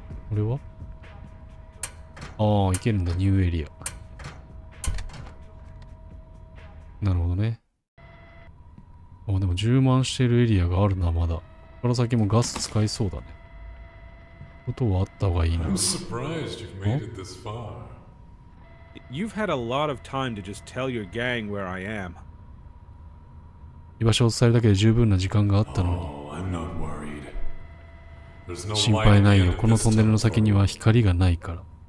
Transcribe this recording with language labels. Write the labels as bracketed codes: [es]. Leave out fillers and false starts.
[ja] これは？ああ、行けるんだ、ニューエリア。なるほどね。ああ、でも充満してるエリアがあるな、まだ。ここから先もガス使いそうだね。ことはあった方がいいな。 [en] I'm surprised you've made it this far. You've had a lot of time to just tell your gang where I am. [ja] 居場所を伝えるだけで十分な時間があったのに。 [en] Oh, I'm not worried. [ja] 心配ないよ。このトンネルの先には光がないから。